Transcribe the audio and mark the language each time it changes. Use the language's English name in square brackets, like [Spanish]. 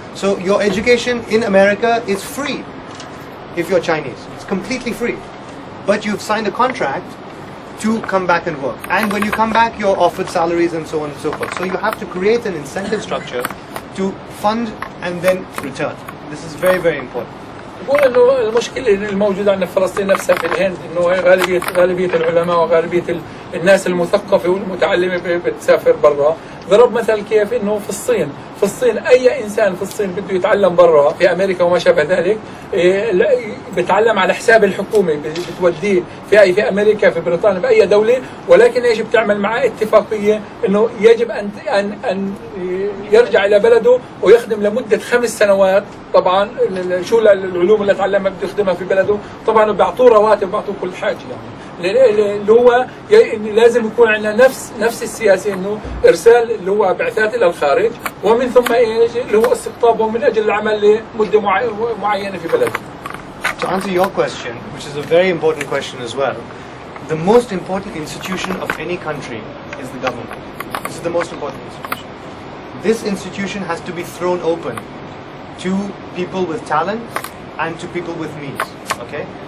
[English] So your education in America is free if you're Chinese. It's completely free. But you've signed a contract to come back and work. And when you come back, you're offered salaries and so on and so forth. So you have to create an incentive structure to fund and then return. This is very, very important. [Arabic] بقول إنه المشكلة الموجودة عندنا في فلسطين نفسها في الهند إنه غالبية العلماء وغالبية الناس المثقفة والمتعلمة بتسافر برا ضرب مثل كيف إنه في الصين أي إنسان في الصين بده يتعلم برا في أمريكا وما شابه ذلك بتعلم على حساب الحكومة بتوديه في أمريكا في بريطانيا بأي دولة ولكن إيش بتعمل معه اتفاقية إنه يجب أن يرجع إلى بلده ويخدم لمدة 5 سنوات طبعا شو العلوم اللي تعلمها بده يخدمها في بلده طبعا بيعطوه رواتب بيعطوه كل حاجة يعني اللي هو لازم يكون عندنا نفس السياسي انه ارسال اللي هو بعثات الى الخارج ومن ثم ايش اللي هو استقطابهم من اجل العمل لمده معينه في بلده. [English] To answer your question, which is a very important question as well, the most important institution of any country is the government. This is the most important institution. This institution has to be thrown open to people with talent and to people with means. Okay?